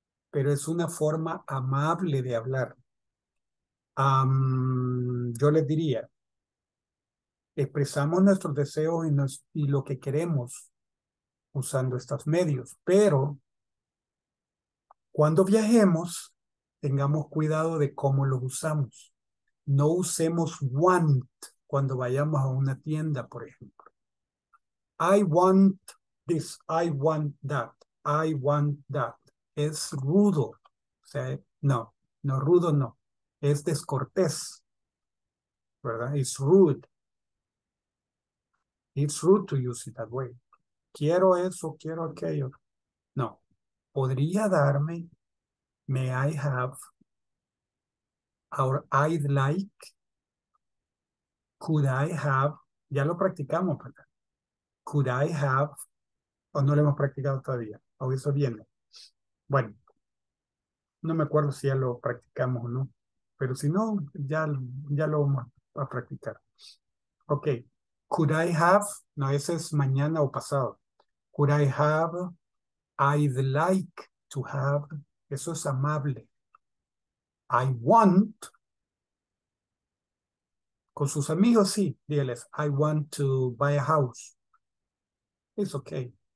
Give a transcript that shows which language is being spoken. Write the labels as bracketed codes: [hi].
[es] Pero es una forma amable de hablar. Yo les diría, expresamos nuestros deseos y lo que queremos usando estos medios, pero cuando viajemos, tengamos cuidado de cómo los usamos. No usemos want cuando vayamos a una tienda, por ejemplo. [en] I want this, I want that, I want that. [es] Es rudo. O sea, no, rudo no. Es descortés, ¿verdad? [en] It's rude. It's rude to use it that way. [es] Quiero eso, quiero aquello. [en] No. [es] Podría darme, [en] may I have, or I'd like, could I have, [es] ya lo practicamos, ¿verdad? [en] Could I have, [es] o no lo hemos practicado todavía, o eso viene. Bueno, no me acuerdo si ya lo practicamos o no, pero si no, ya lo vamos a practicar. Ok. [en] Could I have, [es] no, ese es mañana o pasado. [en] Could I have, I'd like to have, [es] eso es amable. [en] I want, [es] con sus amigos, sí, díganles, [en] I want to buy a house. It's okay.